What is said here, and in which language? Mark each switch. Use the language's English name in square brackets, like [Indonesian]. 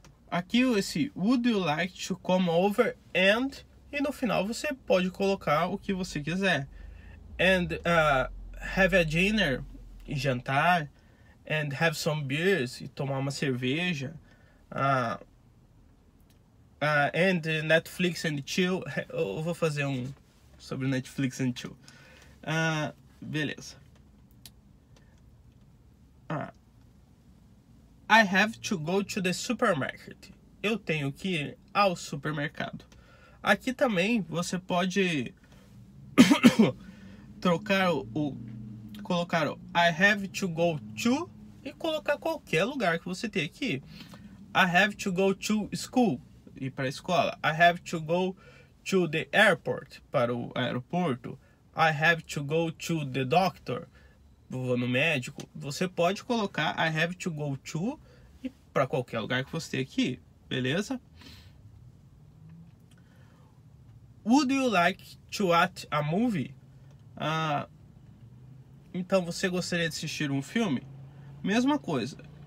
[Portuguese] Aqui esse [English] would you like to come over and... [Portuguese] E no final você pode colocar o que você quiser. [English] And have a dinner, [Portuguese] e jantar. [English] And have some beers, [Portuguese] e tomar uma cerveja. [English] And Netflix and chill. [Portuguese] Eu vou fazer um sobre [English] Netflix and chill. [Portuguese] Beleza. [English] I have to go to the supermarket. [Portuguese] Eu tenho que ir ao supermercado. Aqui também você pode trocar colocar o [English] I have to go to [Portuguese] e colocar qualquer lugar que você tenha aqui. [English] I have to go to school, [Portuguese] ir para a escola. [English] I have to go to the airport, [Portuguese] para o aeroporto. [English] I have to go to the doctor, [Portuguese] vou no médico. Você pode colocar [English] I have to go to [Portuguese] e para qualquer lugar que você tenha aqui, beleza? [English] Would you like to watch a movie? [Portuguese] Então, você gostaria de assistir um filme? Mesma coisa.